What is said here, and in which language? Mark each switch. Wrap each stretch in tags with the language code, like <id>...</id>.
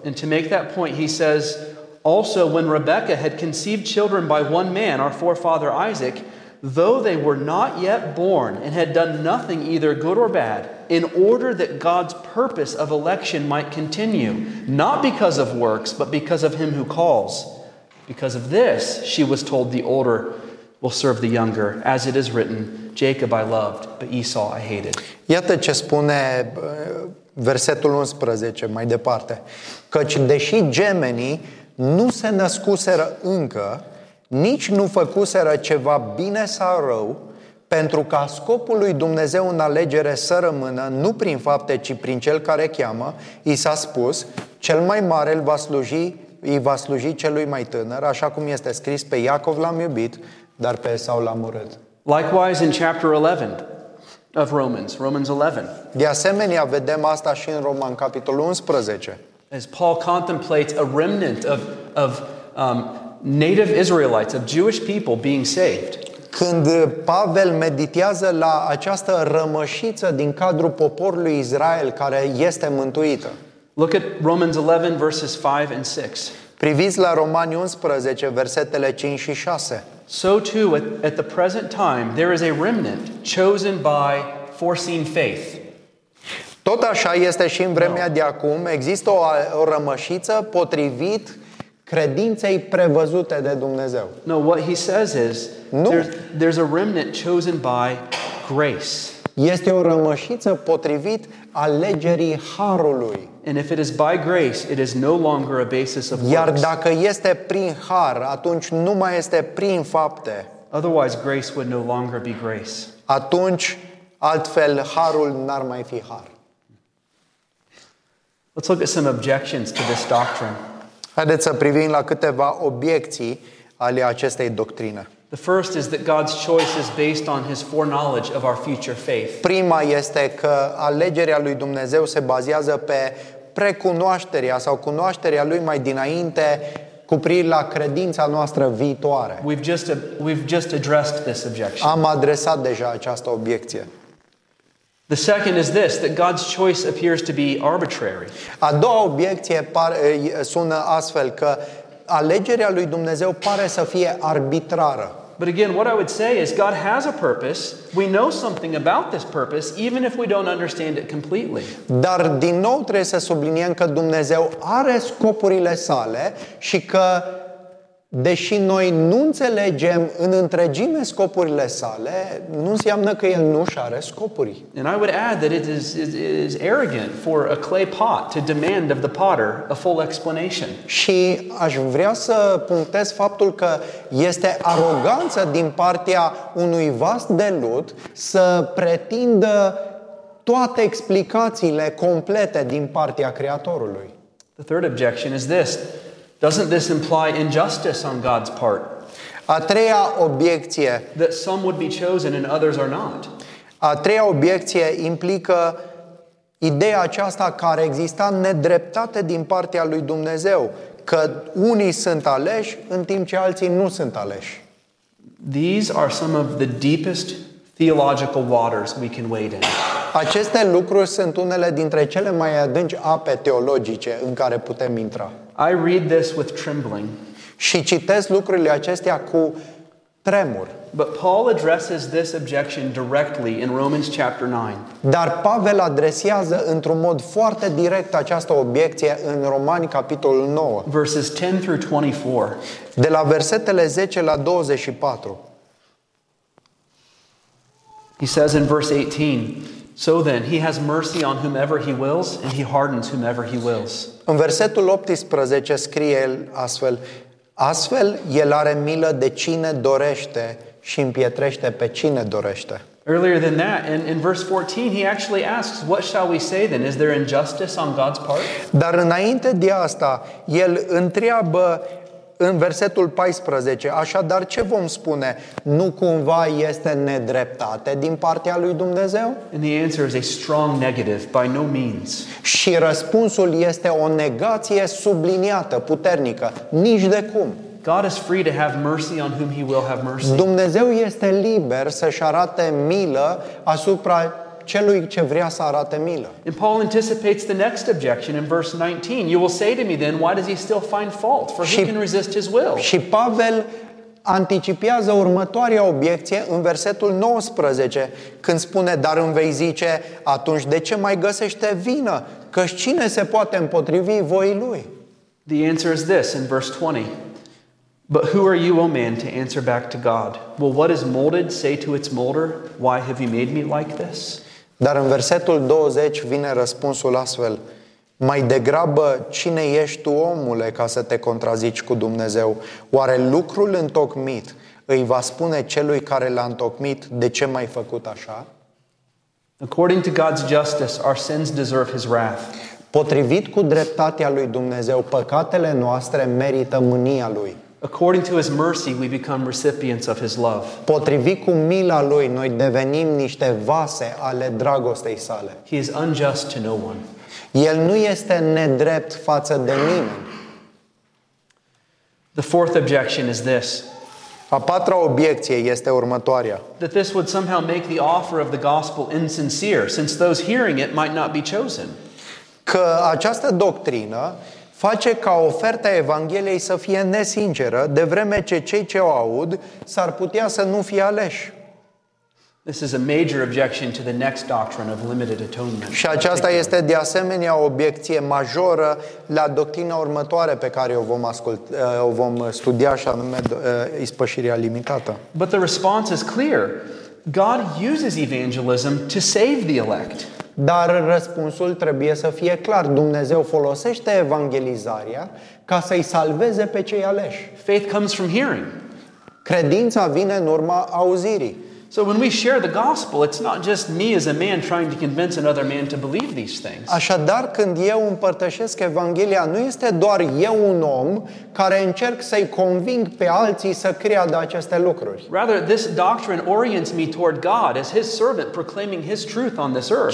<en>And to make that point he says also when Rebecca had conceived children by one man, our forefather Isaac, though they were not yet born and had done nothing either good or bad, in order that God's purpose of election might continue, not because of works, but because of him who calls. Because of this, she was told the older will serve the younger, as it is written, Jacob I loved, but Esau I hated.</en> <ro>Iată ce spune versetul 11 mai departe. Căci deși gemenii nu se născuseră încă, nici nu făcuseră ceva bine sau rău, pentru ca scopul lui Dumnezeu în alegere să rămână, nu prin fapte, ci prin cel care cheamă, i s-a spus, cel mai mare îl va sluji, îi va sluji celui mai tânăr, așa cum este scris, pe Iacov l-am iubit, dar pe Esau l-am urât.</ro> <en>Likewise in chapter 11 of Romans, Romans 11.</en> <ro>De asemenea, vedem asta și în Roman, capitolul 11.</ro> <en>As Paul contemplates a remnant of native Israelites, of Jewish people being saved.</en> <ro>Când Pavel meditează la această rămășiță din cadrul poporului Israel care este mântuită.</ro> <en>Look at Romans 11 verses 5 and 6.</en> <ro>Priviți la Romani 11 versetele 5 și 6.</ro> <en>So too at the present time there is a remnant chosen by foreseen faith.</en> <ro>Tot așa este și în vremea de acum, există o rămășiță potrivit credinței prevăzute de Dumnezeu.</ro> <en>No, what he says is there's a remnant chosen by grace.</en> <ro>Este o rămășiță potrivit alegerii harului.</ro> <en>And if it is by grace, it is no longer a basis of works.</en> <ro>Iar dacă este prin har, atunci nu mai este prin fapte.</ro> <en>Otherwise grace would no longer be grace.</en> <ro>Atunci altfel harul n-ar mai fi har.</ro> <en>Let's look at some objections to this doctrine.</en> <ro>Haideți să privim la câteva obiecții ale acestei doctrine.</ro> <en>The first is that God's choice is based on his foreknowledge of our future faith.</en> <ro>Prima este că alegerea lui Dumnezeu se bazează pe precunoașterea sau cunoașterea lui mai dinainte cu privire la credința noastră viitoare.</ro> <en>We've just addressed this objection.</en> <ro>Am adresat deja această obiecție.</ro> <en>The second is this, that God's choice appears to be arbitrary.</en> <ro>A doua obiecție sună astfel, că alegerea lui Dumnezeu pare să fie arbitrară.</ro> <en>But again, what I would say is God has a purpose. We know something about this purpose, even if we don't understand it completely.</en> <ro>Dar din nou trebuie să subliniem că Dumnezeu are scopurile sale și că deși noi nu înțelegem în întregime scopurile sale, nu înseamnă că el nu și are scopuri.</ro> <en>And I would add that it is arrogant for a clay pot to demand of the potter a full explanation.</en> <ro>Și aș vrea să punctez faptul că este aroganță din partea unui vas de lut să pretindă toate explicațiile complete din partea creatorului.</ro> <en>The third objection is this. Doesn't this imply injustice on God's part?</en> <ro>A treia obiecție.</ro> <en>That some would be chosen and others are not.</en> <ro>A treia obiecție implică ideea aceasta că ar exista nedreptate din partea lui Dumnezeu, că unii sunt aleși în timp ce alții nu sunt aleși.</ro> <en>These are some of the deepest theological waters we can wade in.</en> <ro>Aceste lucruri sunt unele dintre cele mai adânci ape teologice în care putem intra.</ro> <en>I read this with trembling.</en> <ro>Și citesc lucrurile acestea cu tremur.</ro> <en>But Paul addresses this objection directly in Romans chapter 9.</en> <ro>Dar Pavel adresează într-un mod foarte direct această obiecție în Romani capitolul 9.</ro> <en>Verses 10 through 24.</en> <ro>De la versetele 10 la 24.</ro> <en>He says in verse 18, so then he has mercy on whomever he wills and he hardens whomever he wills.</en> <ro>În versetul 18 scrie el astfel el are milă de cine dorește și împietrește pe cine dorește.</ro> <en>Earlier than that, in verse 14, he actually asks, what shall we say then? Is there injustice on God's part?</en> <ro>Dar înainte de asta, el întreabă în versetul 14, așadar ce vom spune? Nu cumva este nedreptate din partea lui Dumnezeu?</ro> <en>And the answer is a strong negative, by no means.</en> <ro>Și răspunsul este o negație subliniată, puternică, nici de cum.</ro> <en>God is free to have mercy on whom he will have mercy.</en> <ro>Dumnezeu este liber să-și arate milă asupra celui ce vrea să arate milă.</ro> <en>And Paul anticipates the next objection in verse 19. You will say to me then, why does he still find fault? For who can resist his will?</en> <ro>Și Pavel anticipează următoarea obiecție în versetul 19, când spune, dar îmi vei zice, atunci de ce mai găsește vină? Căci cine se poate împotrivi voii lui?</ro> <en>The answer is this in verse 20. But who are you, O man, to answer back to God? Will what is molded say to its molder, why have you made me like this?</en> <ro>Dar în versetul 20 vine răspunsul astfel: mai degrabă, cine ești tu, omule, ca să te contrazici cu Dumnezeu? Oare lucrul întocmit îi va spune celui care l-a întocmit de ce m-ai făcut așa?</ro> <en>According to God's justice, our sins deserve his wrath.</en> <ro>Potrivit cu dreptatea lui Dumnezeu, păcatele noastre merită mânia lui.</ro> <en>According to his mercy, we become recipients of his love.</en> <ro>Potrivit cu mila lui, noi devenim niște vase ale dragostei sale.</ro> <en>He is unjust to no one.</en> <ro>El nu este nedrept față de nimeni.</ro> <en>The fourth objection is this.</en> <ro>A patra obiecție este următoarea.</ro> <en>That this would somehow make the offer of the gospel insincere, since those hearing it might not be chosen.</en> <ro>Că această doctrină face ca oferta Evangheliei să fie nesinceră, de vreme ce cei ce o aud s-ar putea să nu fie aleși.</ro> <en>This is a major objection to the next doctrine of limited atonement.</en> <ro>Și aceasta este de asemenea o obiecție majoră la doctrina următoare pe care o vom studia, și anume ispășirea limitată.</ro> <en>But the response is clear. God uses evangelism to save the elect.</en> <ro>Dar răspunsul trebuie să fie clar. Dumnezeu folosește evangelizarea ca să-i salveze pe cei aleși.</ro> <en>Faith comes from hearing.</en> <ro>Credința vine în urma auzirii.</ro> <en>So when we share the gospel, it's not just me as a man trying to convince another man to believe these things.</en> <ro>Așadar, când eu împărtășesc Evanghelia, nu este doar eu un om care încerc să-i conving pe alții să creadă aceste lucruri.</ro> <en>Rather, this doctrine orients me toward God as his servant proclaiming his truth on this earth.</en>